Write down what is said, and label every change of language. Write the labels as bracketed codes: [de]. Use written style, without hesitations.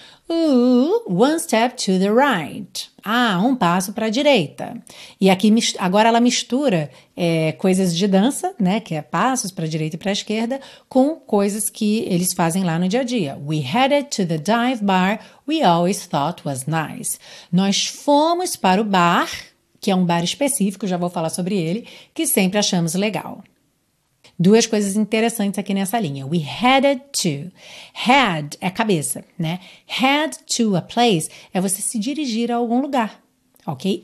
[en] Ooh, one step to the right. [pt] Ah, um passo para a direita. E aqui, agora ela mistura coisas de dança, né? Que é passos para a direita e para a esquerda, com coisas que eles fazem lá no dia a dia. [en] We headed to the dive bar we always thought was nice. [pt] Nós fomos para o bar, que é um bar específico, já vou falar sobre ele, que sempre achamos legal. Duas coisas interessantes aqui nessa linha. [en] We headed to. [pt] Head é cabeça, né? Head to a place é você se dirigir a algum lugar, ok?